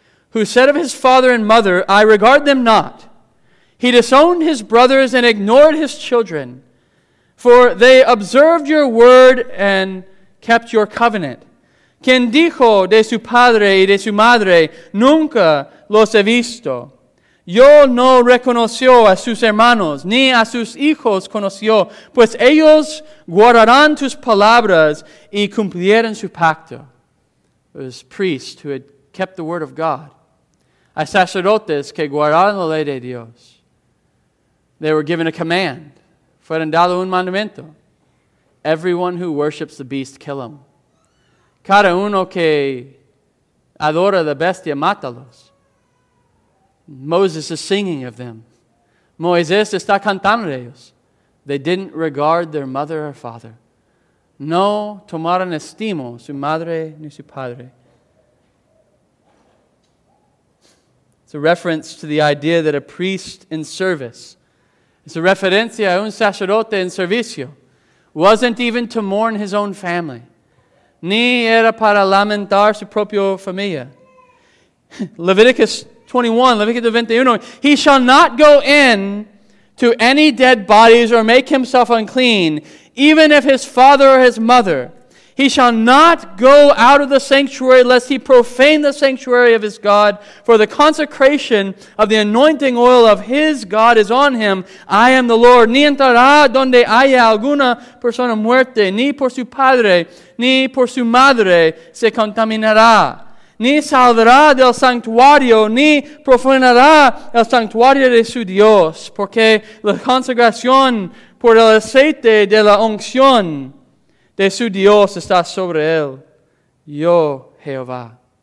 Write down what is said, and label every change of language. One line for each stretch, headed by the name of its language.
English: Who said of his father and mother, I regard them not. He disowned his brothers and ignored his children. For they observed your word and kept your covenant.
Spanish: Quien dijo de su padre y de su madre, nunca los he visto. Yo no reconoció a sus hermanos, ni a sus hijos conoció, pues ellos guardarán tus palabras y cumplieron su pacto.
English: It was priests who had kept the word of God.
Spanish: Hay sacerdotes que guardaron la ley de Dios.
English: They were given a command.
Spanish: Fueron dado un mandamiento.
English: Everyone who worships the beast, kill him.
Spanish: Cada uno que adora la bestia, mátalos.
English: Moses is singing of them.
Spanish: Moisés está cantando de ellos.
English: They didn't regard their mother or father.
Spanish: No tomaron estimo su madre ni su padre.
English: It's a reference to the idea that a priest in service, it's a
Spanish: referencia a un sacerdote en servicio,
English: wasn't even to mourn his own family,
Spanish: ni era para lamentar su propia familia.
English: Leviticus 21, Leviticus 21, he shall not go in to any dead bodies or make himself unclean, even if his father or his mother. He shall not go out of the sanctuary lest he profane the sanctuary of his God, for the consecration of the anointing oil of his God is on him. I am the Lord.
Spanish: Ni entrará donde haya alguna persona muerte, ni por su padre, ni por su madre se contaminará. Ni saldrá del santuario, ni profanará el santuario de su Dios, porque la consagración por el aceite de la unción de su Dios está sobre él, yo, Jehová.